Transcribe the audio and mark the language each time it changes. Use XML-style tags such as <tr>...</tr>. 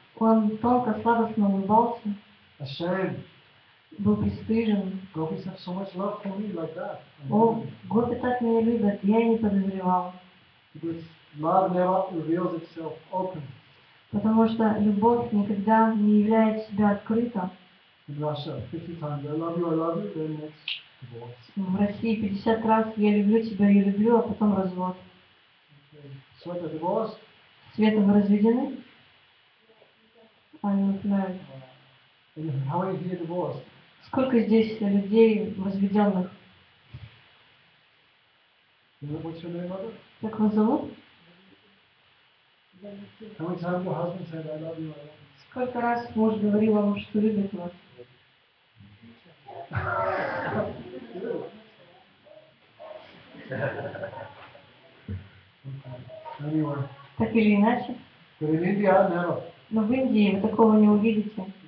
<ru>Он тонко, сладостно улыбался.</ru> <en>Ashamed.</en> <ru>Был пристыжен.</ru> <en>Gopis have so much love for me like that.</en> <ru>О, гопи так меня любят, я и не подозревал.</ru> <en>Because love never reveals itself open.</en> <ru>Потому что любовь никогда не являет себя открыто.</ru> <en>In Russia, 50 times I love you, I love you, then it's divorce.</en> <ru>В России 50 раз я люблю тебя, я люблю, а потом развод.</ru> <en>Света, divorce?</en> <ru>Света, вы разведены?</ru> <en>I don't know. And how many here divorced?</en> <ru>Сколько здесь людей разведенных?</ru> <en>What's your name, mother?</en> <ru>Как вас зовут?</ru> <en>How many times your husband said, I love you, I love you?</en> <ru>Сколько раз муж говорил вам, что любит вас?</ru> <en>Anyway.</en> <ru>Так или иначе.</ru> <en>But in India, no.</en> <ru>Но в Индии вы такого не увидите.</ru>